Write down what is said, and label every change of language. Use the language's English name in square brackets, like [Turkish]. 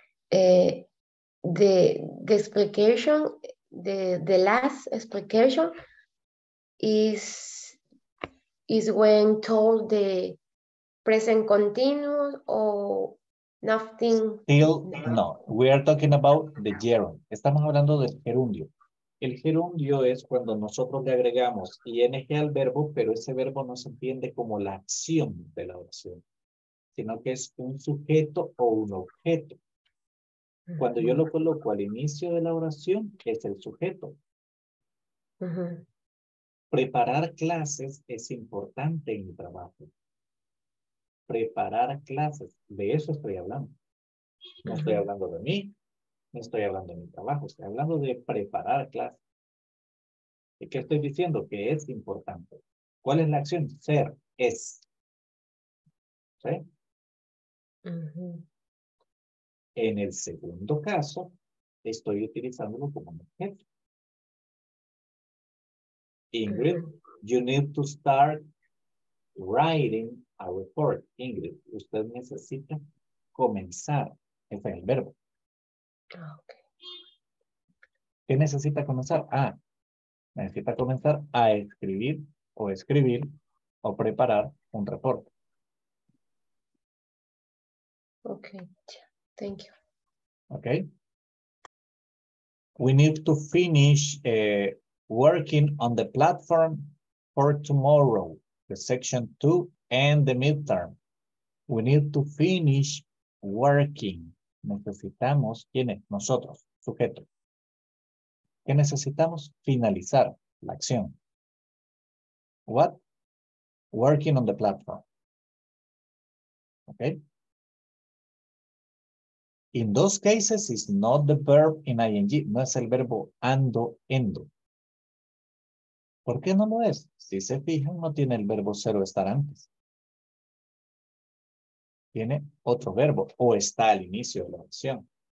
[English] The explication, the last explication is when told the present continuous or nothing. Still, no. We are talking about the gerund. [Spanish] Estamos hablando del gerundio. El gerundio es cuando nosotros le agregamos ing al verbo, pero ese verbo no se entiende como la acción de la oración, sino que es un sujeto o un objeto. Cuando yo lo coloco al inicio de la oración, es el sujeto. Preparar clases es importante en mi trabajo. Preparar clases, de eso estoy hablando. No estoy hablando de mí. No estoy hablando de mi trabajo, estoy hablando de preparar clase. ¿Y qué estoy diciendo? Que es importante. ¿Cuál es la acción? Ser, es. ¿Sí? Uh-huh. En el segundo caso, estoy utilizándolo como un objeto. Ingrid, [English] you need to start writing a report in English. [Spanish] Usted necesita comenzar. Ese es el verbo. [English] Okay. [Spanish] ¿Qué necesita comenzar? Ah, necesita comenzar a escribir o escribir o preparar un reporte. [English] Okay, thank you. Okay. We need to finish working on the platform for tomorrow, the section two and the midterm. We need to finish working. [Spanish] Necesitamos, ¿quién es? Nosotros, sujeto. ¿Qué necesitamos? Finalizar la acción. [English] What? Working on the platform. Okay. In those cases, it's not the verb in ing. [Spanish] No es el verbo ando, endo. ¿Por qué no lo es? Si se fijan, no tiene el verbo ser o estar antes. Tiene otro verbo o está al inicio de la oración.